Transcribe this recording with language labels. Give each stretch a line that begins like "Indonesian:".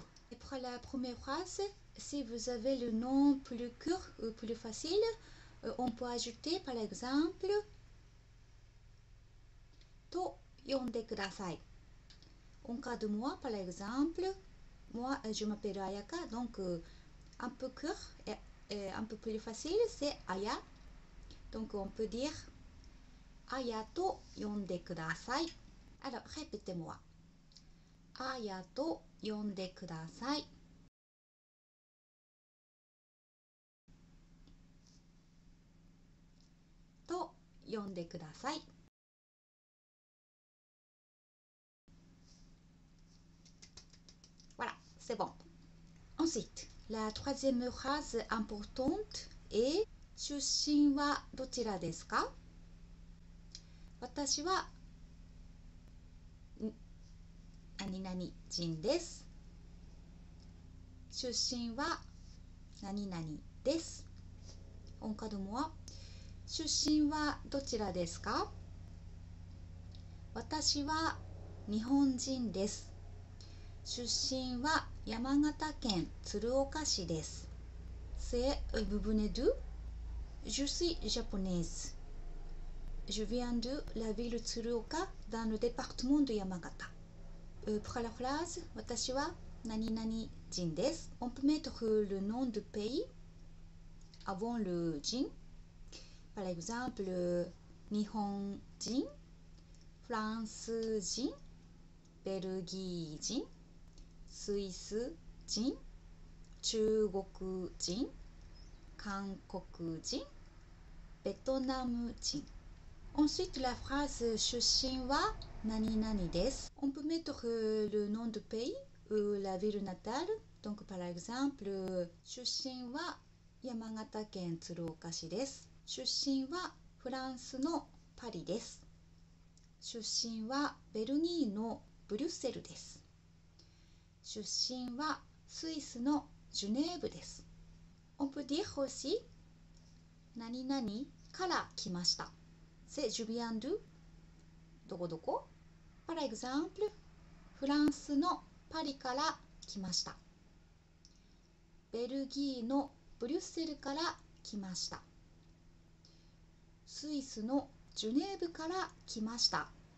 French: Et pour la première phrase, si vous avez le nom plus court ou plus facile, on peut ajouter par exemple
Japanese: To yonde kudasai.
French: En cas de moi, par exemple, moi je m'appelle Ayaka, donc un peu court et un peu plus facile, c'est Aya. Donc on peut dire
Japanese: Ayato yonde kudasai.
French: Alors répétez-moi.
Japanese: あやと呼んでください。と呼んでください。
French: Voilà, c'est bon. Ensuite, la troisième phrase importante est
Japanese: 出身はどちらですか? 私は何々人です。出身は何々です。オンカドモア、出身はどちらですか? 私は日本人です。出身は山形県鶴岡市です。
French: C'est, vous venez d'où? Je suis japonaise. Je viens de la ville 鶴岡 dans le département de 山形。 Pour la phrase,
Japanese: watashi wa naninani jin desu.
French: On peut mettre le nom du pays avant le jin. Par exemple, Nihon jin, France jin, Belgique jin, Suisse jin, Chugoku jin, Kankoku jin, Vietnam jin. Ensuite, la phrase
Japanese: 出身は何々です。
French: On peut mettre le nom du pays où la ville natale. Donc, par exemple,
Japanese: 出身は山形県鶴岡市です。出身はフランスのパリです。出身はベルギーのブリュッセルです。出身はスイスのジュネーブです。
French: On peut dire aussi
Japanese: 何々から来ました。
French: C'est je viens de どこどこ ?Par exemple,
Japanese: フランスのパリから来ました。ベルギーのブリュッセルから来ました。スイスのジュネーブから来ました。